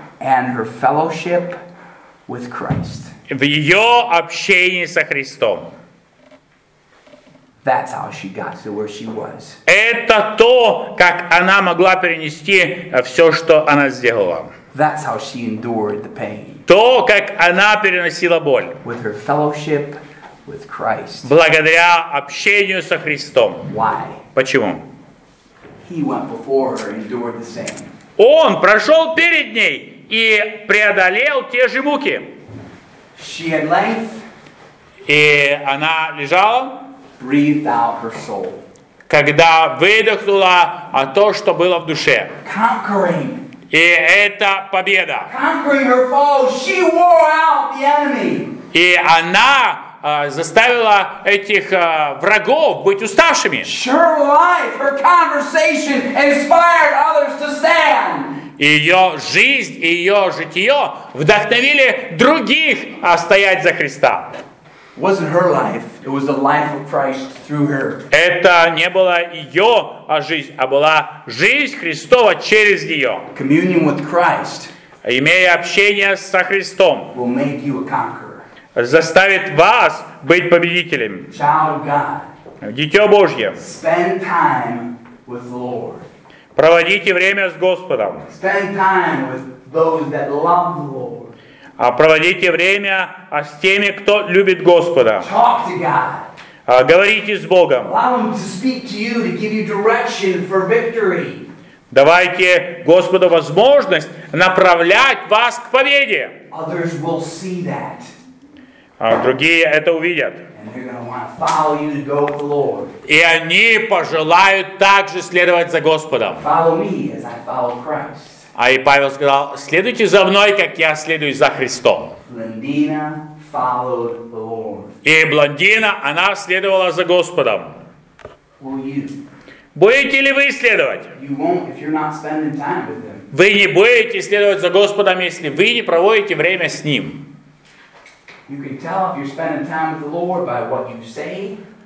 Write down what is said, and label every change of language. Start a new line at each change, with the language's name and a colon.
English: And her fellowship with Christ.
Russian: В ее общении со Христом.
English: That's how she got to where she was.
Russian: Это то, как она могла перенести все, что она сделала.
English: That's how she endured the pain.
Russian: То, как она переносила боль.
English: With her fellowship with Christ.
Russian: Благодаря общению со Христом.
English: Why?
Russian: Почему?
English: He went before her and endured the same.
Russian: Он прошел перед ней и преодолел те же муки.
English: She had length.
Russian: И она лежала.
English: Breathed out her soul.
Russian: Когда выдохнула о то, что было в душе.
English: Conquering.
Russian: И это победа.
English: Conquering her foes, she wore out the enemy.
Russian: И она заставила этих врагов быть уставшими.
English: Her life, her conversation inspired others to stand.
Russian: Ее жизнь и ее житие вдохновили других стоять за Христа.
English: Wasn't her life? It was the life of Christ through her.
Russian: Это не была ее жизнь, а была жизнь Христова через нее.
English: Communion with Christ.
Russian: Имея общение со Христом.
English: Will make you a conqueror.
Russian: Заставит вас быть победителем.
English: Child of God.
Russian: Дитё Божье.
English: Spend time with the Lord.
Russian: Проводите время с Господом.
English: Spend time with those that love the Lord.
Russian: А проводите время с теми, кто любит Господа.
English: Talk to God.
Russian: Говорите с Богом.
English: Allow him to speak to you to give you direction for victory.
Russian: Давайте Господу возможность направлять вас к победе.
English: Others will see that.
Russian: Другие это увидят.
English: And they're going to want to follow you to go with the Lord.
Russian: И они пожелают также следовать за Господом.
English: Follow me as I follow Christ.
Russian: А и Павел сказал, следуйте за мной, как я следую за Христом.
English: Blondina followed the Lord.
Russian: И блондина, она следовала за Господом.
English: Will you?
Russian: Будете ли вы следовать?
English: You won't if you're not spending time with them.
Russian: Вы не будете следовать за Господом, если вы не проводите время с Ним.
English: You can tell if you're spending time with the Lord by what you say.